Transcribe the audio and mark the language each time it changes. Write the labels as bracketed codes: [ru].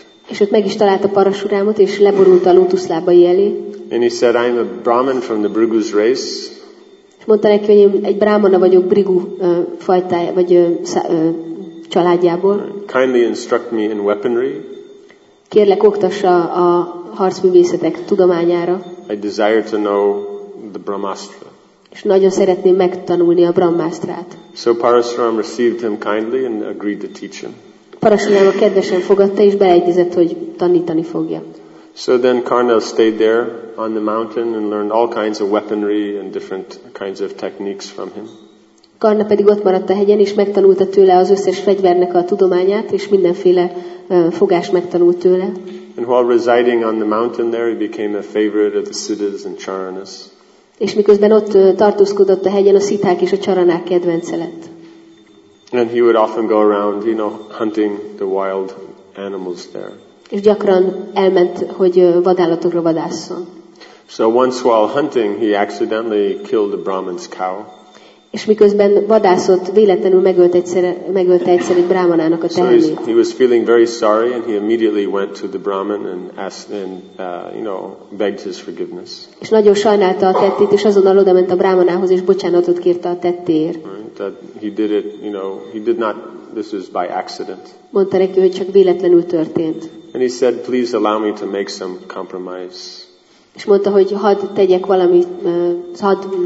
[hu] És ott meg is találta Parasurámot, és leborult a lótuszlábai elé. [en] And he said, I'm a Brahmin from the Bhrigu's race. [hu] És mondta neki, hogy én egy brámana vagyok Bhrigu fajtája, vagy családjából. [en] Kindly instruct me in weaponry. [hu] Kérlek, oktassa a harcművészetek tudományára. [en] I desire to know the Brahmastra. [hu] És nagyon szeretném megtanulni a Brahmastrát. [en] So Parasuram received him kindly and agreed to teach him. [hu] Parasurama kedvesen fogadta és beleegyezett, hogy tanítani fogja. [en] So then Karna stayed there on the mountain and learned all kinds of weaponry and different kinds of techniques from him. [hu] Karna pedig ott maradt a hegyen és megtanulta tőle az összes fegyvernek a tudományát és mindenféle fogást megtanult tőle. [en] And while residing on the mountain there, he became a favorite of the Siddhas and Charanas. [hu] És miközben ott tartózkodott a hegyen, a Sziták és a Charanák kedvence lett. [en] And he would often go around, you know, hunting the wild animals there. [hu] És gyakran elment, hogy vadállatokra vadásszon. [en] So once while hunting, he accidentally killed a Brahmin's cow. [hu] És miközben vadászott, véletlenül megölt egyszer egy brahmanának a tehenét. [en] So he was feeling very sorry and he immediately went to the brahmin and asked and you know, begged his forgiveness. [hu] És nagyon sajnálta a tettét, és azonnal odament a brahmanához és bocsánatot kérte a tettéért. [en] Right, he did it, you know, he did not, this is by accident. [hu] Mondta neki, hogy csak véletlenül történt. [en] And he said, please allow me to make some compromise. [hu] És mondta, hogy hadd tegyek valamit, hadd